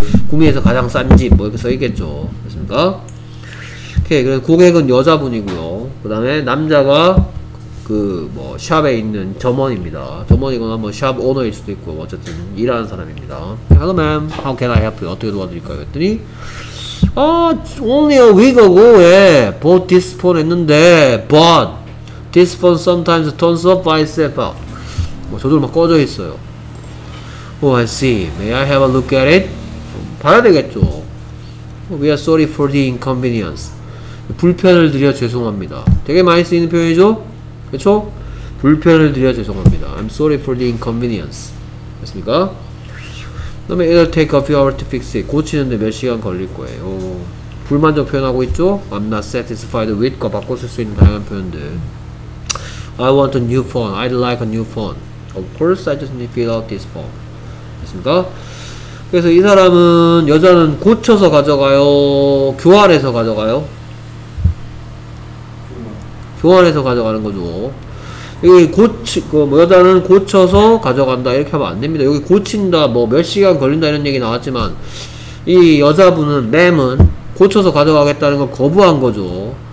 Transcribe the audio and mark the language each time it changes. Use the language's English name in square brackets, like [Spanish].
[Korean] 구미에서 가장 싼 집, 뭐 이렇게 써있겠죠. 됐습니까? 오케이. 그래서 고객은 여자분이고요. 그 다음에 남자가 그, 뭐, 샵에 있는 점원입니다. 점원이거나 뭐, 샵 오너일 수도 있고, 어쨌든, 일하는 사람입니다. [English] Hello, ma'am. How can I help you? [Korean] 어떻게 도와드릴까요? 했더니, 아, [English] only a week ago, 예, bought this phone [Korean] 했는데, [English] but, this phone sometimes turns off by itself. [Korean] 뭐, 저절로 막 꺼져 있어요. [English] Oh, I see. May I have a look at it? 봐야 되겠죠. We are sorry for the inconvenience. [Korean] 불편을 드려 죄송합니다. 되게 많이 쓰이는 표현이죠? 그쵸? 불편을 드려 죄송합니다. [English] I'm sorry for the inconvenience. [Korean] 됐습니까? 그 다음에 [English] it'll take a few hours to fix it. [Korean] 고치는데 몇 시간 걸릴 거예요. 오, 불만족 표현하고 있죠? [English] I'm not satisfied with [Korean] 과 바꿔 쓸 수 있는 다양한 표현들. [English] I want a new phone. I'd like a new phone. Of course, I just need to fill out this form. [Korean] 됐습니까? 그래서 이 사람은 여자는 고쳐서 가져가요? 교환해서 가져가요? 교환해서 가져가는 거죠. 여기 여자는 고쳐서 가져간다 이렇게 하면 안 됩니다. 여기 고친다 뭐 몇 시간 걸린다 이런 얘기 나왔지만 이 여자분은 맴은 고쳐서 가져가겠다는 걸 거부한 거죠.